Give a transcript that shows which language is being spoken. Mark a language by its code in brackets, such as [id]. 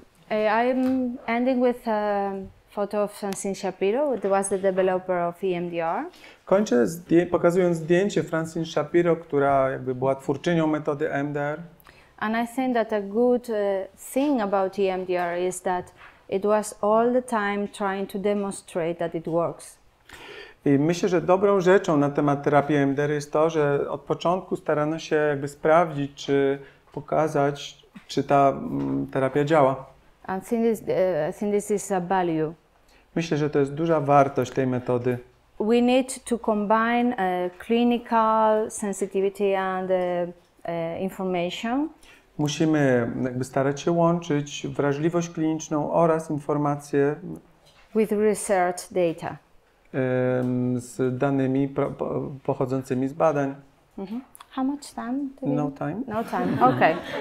[en] I'm ending with a photo of Francine Shapiro, who was the developer of EMDR. [pl] Kończę pokazując zdjęcie Francine Shapiro, która jakby była twórczynią metody EMDR. [en] And I think that a good thing about EMDR is that it was all the time trying to demonstrate that it works. [pl] I myślę, że dobrą rzeczą na temat terapii EMDR jest to, że od początku starano się jakby sprawdzić, czy pokazać, czy ta terapia działa. [en] And I think this is a value. [pl] Myślę, że to jest duża wartość tej metody. [en] We need to combine clinical sensitivity and information. [pl] Musimy jakby starać się łączyć wrażliwość kliniczną oraz informacje [en] with research data. [pl] Z danymi pochodzącymi z badań. [en] Mm-hmm. How much time? No time. No time. Okay.